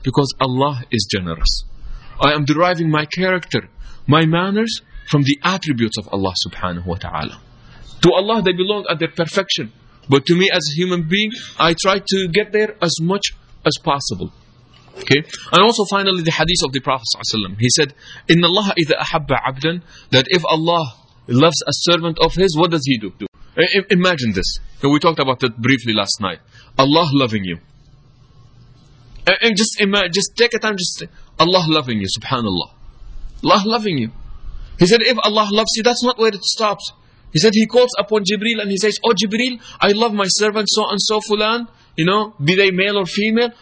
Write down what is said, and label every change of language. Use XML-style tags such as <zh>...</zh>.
<en>Because Allah is generous. I am deriving my character, my manners, from the attributes of Allah subhanahu wa ta'ala. To Allah, they belong at their perfection. But to me as a human being, I try to get there as much as possible. Okay? And also finally, the hadith of the Prophet ﷺ. He said,</en> <ar>إِنَّ اللَّهَ إِذَا أَحَبَّ عَبْدًا.</ar> <en>That if Allah loves a servant of his, what does he do? Imagine this. We talked about that briefly last night. Allah loving you. And just imagine, just take a time, just say, Allah loving you, subhanAllah. Allah loving you. He said, if Allah loves you, that's not where it stops. He said, he calls upon Jibreel and he says, oh Jibreel, I love my servant so and so fulan, you know, be they male or female.</en>